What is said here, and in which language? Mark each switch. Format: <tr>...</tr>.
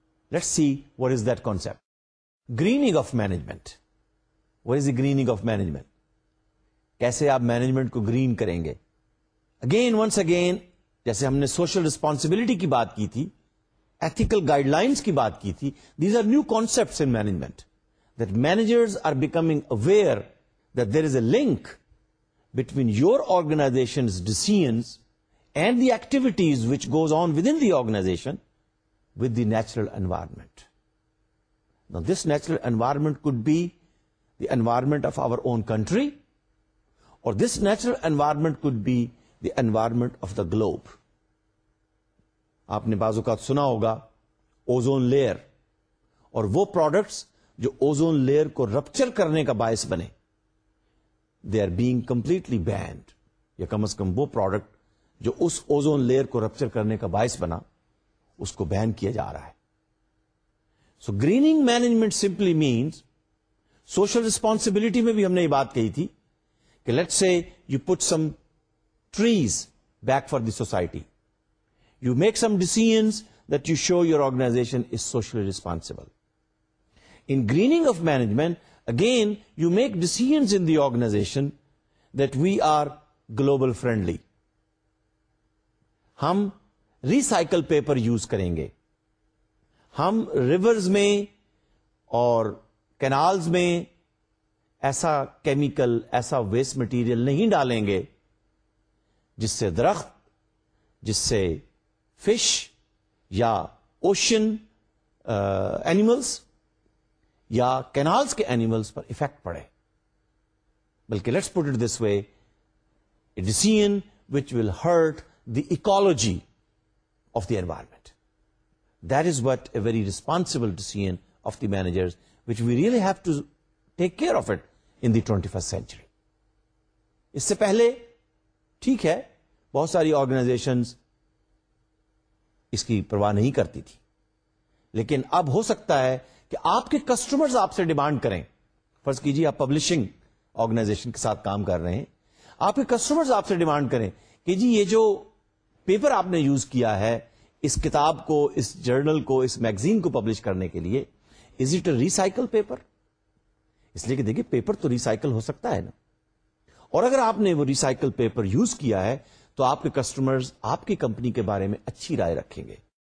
<en>Let's see what is that concept. Greening of management. What is the greening of management?</en> <ur>کیسے آپ management کو green کریں گے؟ اگین ونس اگین، جیسے ہم نے سوشل ریسپانسبلٹی کی بات کی تھی، ایتھیکل گائیڈ لائنس کی بات کی تھی،</ur> <en>These are new concepts in management. That managers are becoming aware that there is a link between your organisations decisions and the activities which goes on with in the organisation with the natural environment. Now this natural environment could be the environment of our own country, or this natural environment could be the environment of the globe.</en> <ur>آپ نے بعض اوقات سنا ہوگا ozone layer, اور وہ products جو ozone layer کو رپچر کرنے کا باعث بنے</ur> <en>They are being completely banned.</en> <ur>یا کم از کم وہ پروڈکٹ جو اس اوزون لیئر کو رپچر کرنے کا باعث بنا اس کو بین کیا جا رہا ہے.</ur> <en>so greening management simply means,</en> <ur>social responsibility میں بھی ہم نے یہ بات کہی تھی کہ</ur> <en>Let say you put some trees back for the society, you make some decisions that you show your organisation is socially responsible. In greening of management again you make decisions in the organisation that we are global friendly.</en> <ur>ہم recycle paper use کریں گے، ہم rivers میں اور canals میں ایسا chemical, ایسا waste material نہیں ڈالیں گے جس سے درخت، جس سے فش یا اوشن اینیملز یا کینالز کے اینیملز پر افیکٹ پڑے.</ur> <en>بلکہ let's put it this way, decision which will hurt the ecology of the environment. That is what a very responsible decision of the managers, which we really have to take care of it in the 21st century.</en> <ur>اس سے پہلے ٹھیک ہے بہت ساری organisations اس کی پرواہ نہیں کرتی تھی, لیکن اب ہو سکتا ہے کہ آپ کے کسٹمرز آپ سے ڈیمانڈ کریں. فرض کیجئے آپ پبلشنگ آرگنائزیشن کے ساتھ کام کر رہے ہیں, آپ کے کسٹمرز آپ سے ڈیمانڈ کریں کہ جی یہ جو پیپر آپ نے یوز کیا ہے اس کتاب کو, اس جرنل کو, اس میگزین کو پبلش کرنے کے لیے,</ur> <en>Is it a recycle paper?</en> <ur>اس لیے کہ دیکھیں پیپر تو ریسائکل ہو سکتا ہے نا, اور اگر آپ نے وہ ریسائکل پیپر یوز کیا ہے تو آپ کے کسٹمرز آپ کی کمپنی کے بارے میں اچھی رائے رکھیں گے.</ur>